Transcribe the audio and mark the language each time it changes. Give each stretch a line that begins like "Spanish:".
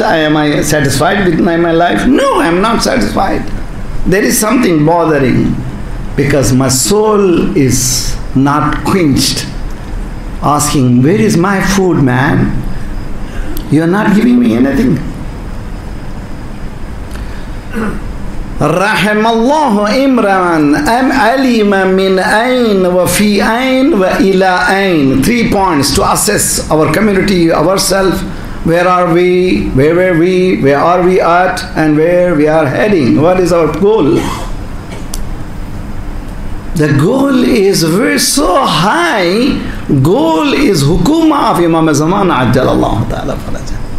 English: Am I satisfied with my life? No, I am not satisfied. There is something bothering because my soul is not quenched. Asking, where is my food, man? You are not giving me anything.
Arabic: رحم الله امرأً أم علم من أين وفي أين وإلى أين.
English: 3 points to assess our community, ourselves. Where are we? Where were we? Where are we at? And where we are heading? What is our goal? The goal is very so high. Goal is hukuma of Imam Zaman
Arabic: عجل الله تعالى فرجه.